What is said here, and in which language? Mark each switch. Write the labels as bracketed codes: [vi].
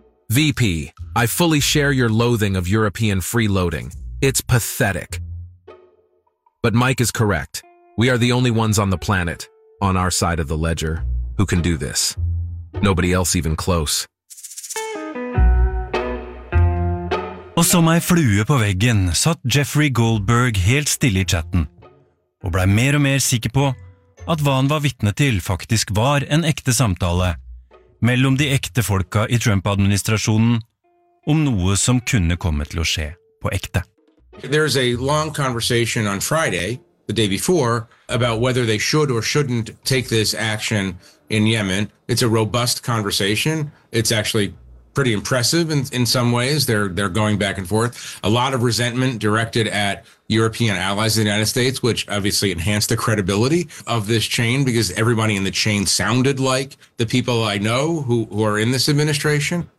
[en] VP, I fully share your loathing of European freeloading. It's pathetic. But Mike is correct. We are the only ones on the planet, on our side of the ledger, who can do this. Nobody else even close. [no] Og som ei flue på veggen satt Jeffrey Goldberg helt stille i chatten, og ble mer og mer sikker på at hva han var vitne til faktisk var en ekte samtale mellom de ekte folka i Trump-administrasjonen om noe som kunne komme til å skje på ekte. [en] There's a long conversation on Friday, the day before, about whether they should or shouldn't take this action in Yemen. It's a robust conversation. It's actually pretty impressive in some ways. They're going back and forth. A lot of resentment directed at European allies of the United States, which obviously enhanced the credibility of this chain because everybody in the chain sounded like the people I know who are in this administration.